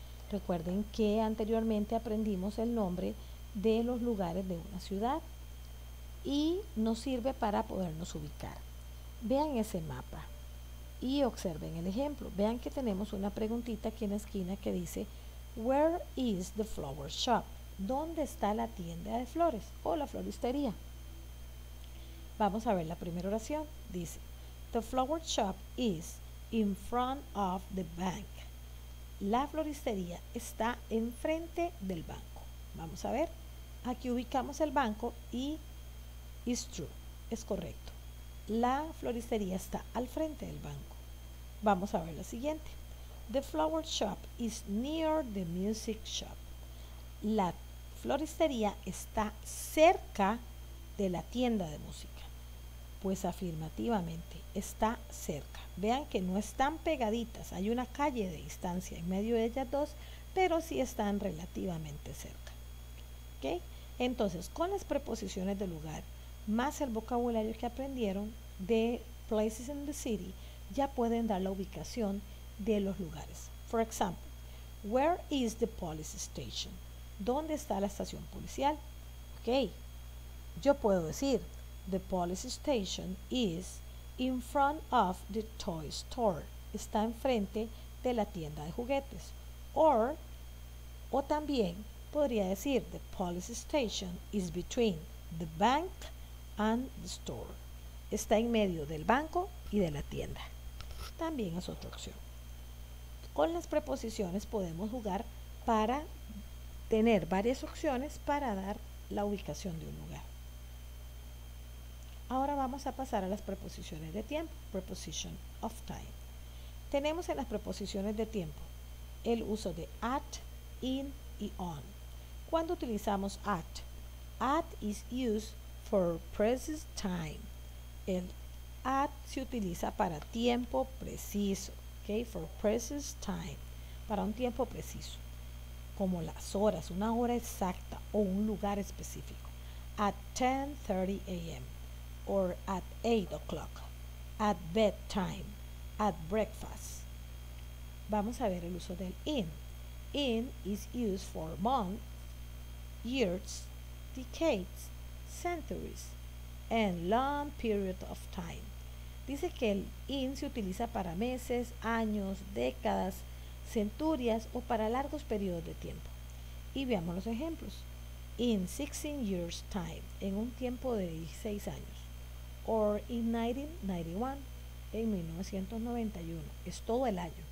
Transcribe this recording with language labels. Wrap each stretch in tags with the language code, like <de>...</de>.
<es>Recuerden que anteriormente aprendimos el nombre de los lugares de una ciudad y nos sirve para podernos ubicar. Vean ese mapa y observen el ejemplo. Vean que tenemos una preguntita aquí en la esquina que dice</es> <en>Where is the flower shop?</en> <es>¿Dónde está la tienda de flores o la floristería? Vamos a ver la primera oración. Dice</es> <en>The flower shop is in front of the bank.</en> <es>La floristería está enfrente del banco. Vamos a ver. Aquí ubicamos el banco y</es> <en>is true.</en> <es>Es correcto. La floristería está al frente del banco. Vamos a ver la siguiente.</es> <en>The flower shop is near the music shop.</en> <es>La floristería está cerca de la tienda de música. Pues afirmativamente, está cerca. Vean que no están pegaditas, hay una calle de distancia en medio de ellas dos, pero sí están relativamente cerca. ¿Okay? Entonces, con las preposiciones de lugar, más el vocabulario que aprendieron de</es> <en>places in the city,</en> <es>ya pueden dar la ubicación de los lugares.</es> <en>For example, where is the police station?</en> <es>¿Dónde está la estación policial? ¿Okay? Yo puedo decir,</es> <en>the police station is in front of the toy store.</en> <es>Está enfrente de la tienda de juguetes. O también podría decir,</es> <en>the police station is between the bank and the store.</en> <es>Está en medio del banco y de la tienda. También es otra opción. Con las preposiciones podemos jugar para tener varias opciones para dar la ubicación de un lugar. Ahora vamos a pasar a las preposiciones de tiempo,</es> <en>preposition of time.</en> <es>Tenemos en las preposiciones de tiempo el uso de at, in y on. ¿Cuándo utilizamos at?</es> <en>At is used for present time.</en> <es>El at se utiliza para tiempo preciso, okay?</es> <en>For present time,</en> <es>para un tiempo preciso, como las horas, una hora exacta o un lugar específico.</es> <en>At 10:30 a.m. or at 8 o'clock, at bedtime, at breakfast.</en> <es>Vamos a ver el uso del in.</es> <en>In is used for months, years, decades, centuries, and long period of time.</en> <es>Dice que el in se utiliza para meses, años, décadas, centurias o para largos periodos de tiempo. Y veamos los ejemplos.</es> <en>In 16 years time,</en> <es>en un tiempo de 16 años.</es> <en>Or in 1991,</en> <es>en 1991, es todo el año.</es>